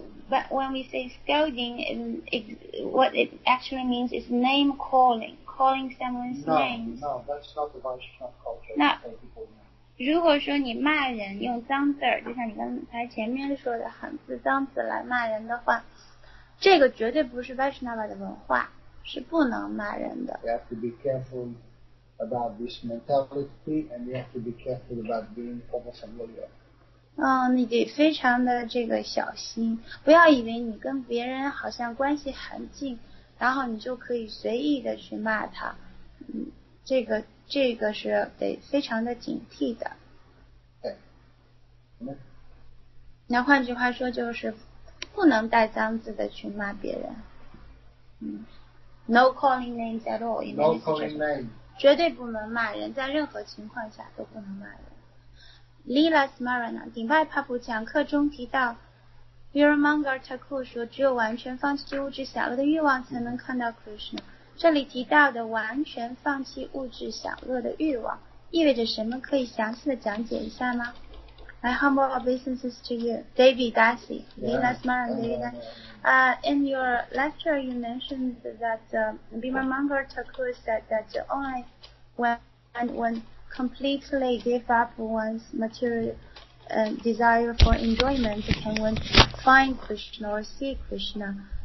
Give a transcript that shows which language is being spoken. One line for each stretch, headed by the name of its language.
English: But when we say scolding, what it actually means is name calling, calling someone's name. No, that's not the Vaishnava culture.
Chinese: 如果说你骂人用脏字儿，就像你刚才前面说的，很字脏字来骂人的话，这个绝对不是 Vaishnava 的文化，是不能骂人的。
English: You have to be careful about this mentality, and you have to be careful about being over-familiar.
Chinese: 你得非常的这个小心，不要以为你跟别人好像关系很近，然后你就可以随意的去骂他，这个是得非常的警惕的。对。那换句话说就是不能带脏字的去骂别人。
English: No calling names at all. No calling names.
Chinese: 绝对不能骂人，在任何情况下都不能骂人。 Lila Smarana, 顶拜帕普讲课中提到 Veeramangala Thakur 说只有完全放弃物质享乐的欲望才能看到 Krishna。这里提到的完全放弃物质享乐的欲望意味着什么，可以详细的讲解一下吗？
English: My humble obeisances to you, David Dasi, Lila Smarana, David Dasi. In your lecture you mentioned that Veeramangala Thakur said that only when completely give up one's material desire for enjoyment, can one find Krishna or see Krishna?